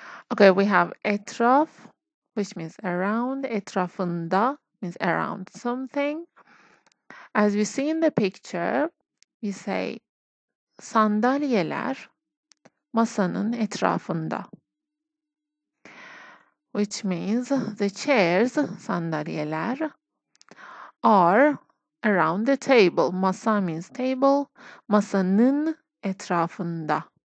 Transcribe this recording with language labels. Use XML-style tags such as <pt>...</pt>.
<en>Okay, we have etraf, which means around. Etrafında means around something. As we see in the picture, we say</en> <tr>sandalyeler masanın etrafında.</tr> <en>Which means the chairs, sandalyeler, are around the table. Masa means table.</en> <tr>Masanın etrafında.</tr>